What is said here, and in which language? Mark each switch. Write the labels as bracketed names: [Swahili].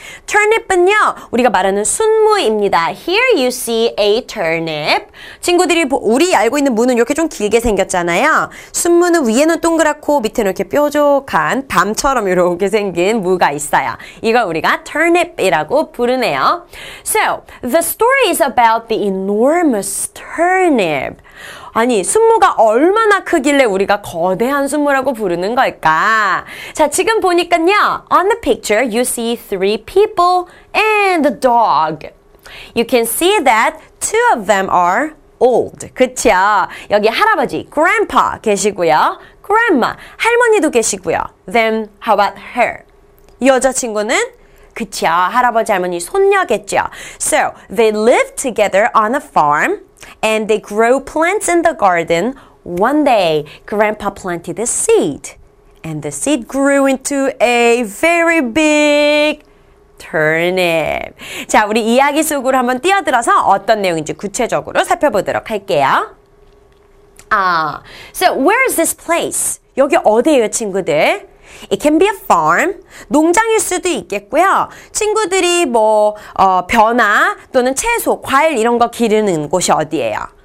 [English] Turnip은요, [Korean] 우리가 말하는 순무입니다. [English] Here you see a turnip. [Korean] 친구들이 우리 알고 있는 무는 이렇게 좀 길게 생겼잖아요. 순무는 위에는 동그랗고 밑에는 이렇게 뾰족한 밤처럼 이렇게 생긴 무가 있어요. 이걸 우리가 turnip이라고 부르네요. [English] So, the story is about the enormous turnip. [Korean] 아니, 순무가 얼마나 크길래 우리가 거대한 순무라고 부르는 걸까? 자, 지금 보니까요. [English] On the picture, you see three people and a dog. You can see that two of them are old. [Korean] 그쵸? 여기 할아버지, grandpa 계시고요. [English] grandma, [Korean] 할머니도 계시고요. [English] Then, how about her? [Korean] 여자친구는? 그쵸, 할아버지, 할머니, 손녀겠죠. [English] So, they live together on a farm. And they grow plants in the garden. One day, Grandpa planted a seed. And the seed grew into a very big turnip. [Korean] 자, 우리 이야기 속으로 한번 뛰어들어서 어떤 내용인지 구체적으로 살펴보도록 할게요. [English] So where is this place? [Korean] 여기 어디예요, 친구들? [English] It can be a farm. [Korean] 농장일 수도 있겠고요. 친구들이 뭐 벼나 또는 채소, 과일 이런 거 기르는 곳이 어디예요?